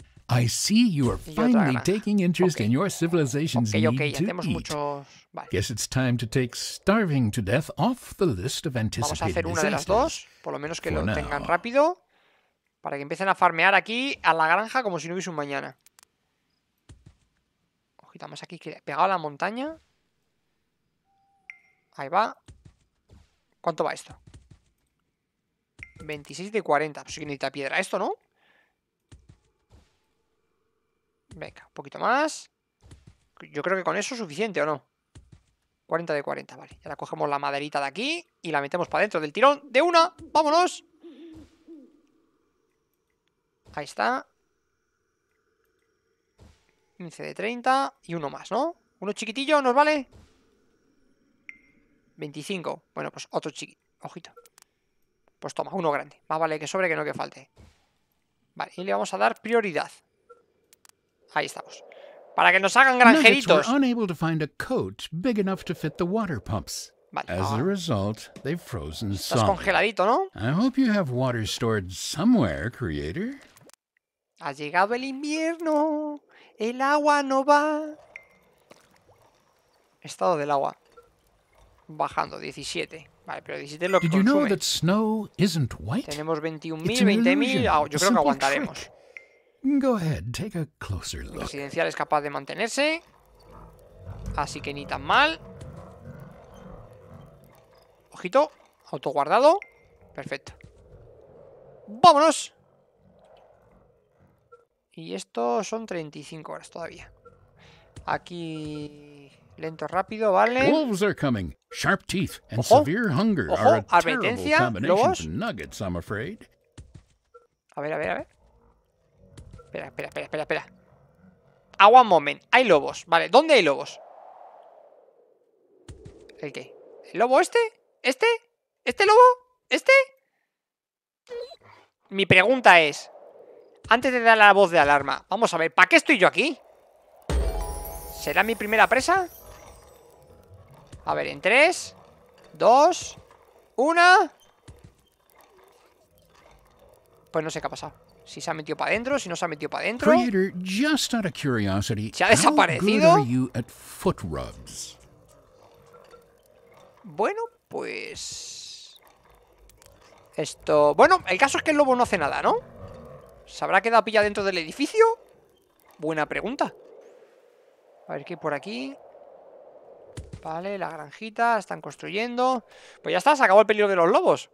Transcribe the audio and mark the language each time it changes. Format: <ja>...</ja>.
<en>I see you are finally taking interest in your civilization's need to eat. Guess it's time to take starving to death off the list of anticipated disasters.</en> <es>Vamos a hacer una de las dos, por lo menos que lo tengan rápido. Para que empiecen a farmear aquí a la granja como si no hubiese un mañana. Ojito, más aquí, pegado a la montaña. Ahí va. ¿Cuánto va esto? 26 de 40. Pues sí que necesita piedra esto, ¿no? Venga, un poquito más. Yo creo que con eso es suficiente, ¿o no? 40 de 40, vale. Ya la cogemos la maderita de aquí y la metemos para dentro del tirón. ¡De una! ¡Vámonos! Ahí está. 15 de 30 y uno más, ¿no? ¿Uno chiquitillo nos vale? 25. Bueno, pues otro chiquito. Ojito. Pues toma, uno grande. Más vale que sobre que no que falte. Vale, y le vamos a dar prioridad. Ahí estamos. Para que nos hagan granjeritos.</es> <en>Unable to find a coat big enough to fit the water pumps.</en> <es>Vale,</es> <en>as a result, they've frozen solid.</en> <es>Estás congeladito, ¿no?</es> <en>I hope you have water stored somewhere, creator.</en> <es>Ha llegado el invierno. El agua no va. Estado del agua. Bajando, 17. Vale, pero 17 es lo que consume.</es> <en>Know that snow isn't white?</en> <es>Tenemos 21.000, 20.000. Oh, yo creo que aguantaremos.</es> <en>Go ahead, take a closer look.</en> <es>Residencial es capaz de mantenerse. Así que ni tan mal. Ojito, autoguardado. Perfecto. ¡Vámonos! Y esto son 35 horas todavía. Aquí lento, rápido, vale.</es> <en>Wolves are coming. Sharp teeth and severe hunger are a terrible combination to nuggets, I'm afraid.</en> <es>A ver, a ver, a ver. Espera, espera, espera, espera, espera. Agua moment. Hay lobos. Vale, ¿dónde hay lobos? ¿El qué? ¿El lobo este? ¿Este? ¿Este lobo? ¿Este? Mi pregunta es, antes de darle la voz de alarma, vamos a ver, ¿para qué estoy yo aquí? ¿Será mi primera presa? A ver, en 3, 2, 1. Pues no sé qué ha pasado. Si se ha metido para adentro, si no se ha metido para adentro.</es> <en>Creator, just out of curiosity,</en> <es>¿se ha desaparecido?</es> <en>How good are you at foot rubs?</en> <es>Bueno, pues esto, bueno, el caso es que el lobo no hace nada, ¿no? ¿Se habrá quedado pilla dentro del edificio? Buena pregunta. A ver qué hay por aquí. Vale, la granjita, están construyendo. Pues ya está, se acabó el peligro de los lobos.</es>